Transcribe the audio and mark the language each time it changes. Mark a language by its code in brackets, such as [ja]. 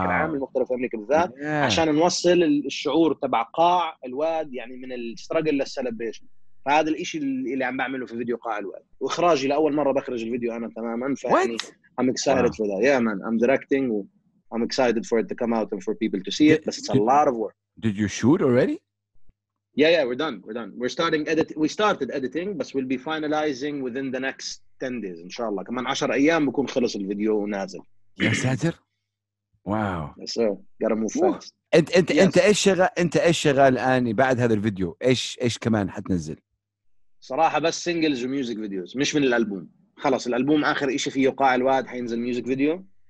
[ar] بشكل عام المغترب في أمريكا بالذات [en] yeah. [ar] عشان نوصل الشعور تبع قاع الواد يعني من [en] الستراجل للسلبريشن [ar] فهذا الإشي اللي عم بعمله في فيديو قاع الواد وإخراجي لأول مرة بخرج الفيديو أنا تماماً فأني [en] I'm excited for that yeah man I'm directing I'm excited for it to come out and for people to see it but it's a lot of work Did you shoot already? Yeah, we're done. We started editing, but we'll be finalizing within the next 10 days, inshallah. [ar] كمان 10 أيام بكون خلص الفيديو ونازل. يا ساتر. واو. [en] Yes, sir. Gotta move fast. [ar] أنت إيش شغال الآن بعد هذا الفيديو؟ إيش كمان حتنزل؟ صراحة بس singles و music videos, مش من الألبوم. خلص الألبوم آخر إشي فيه قاع الواد حينزل music video.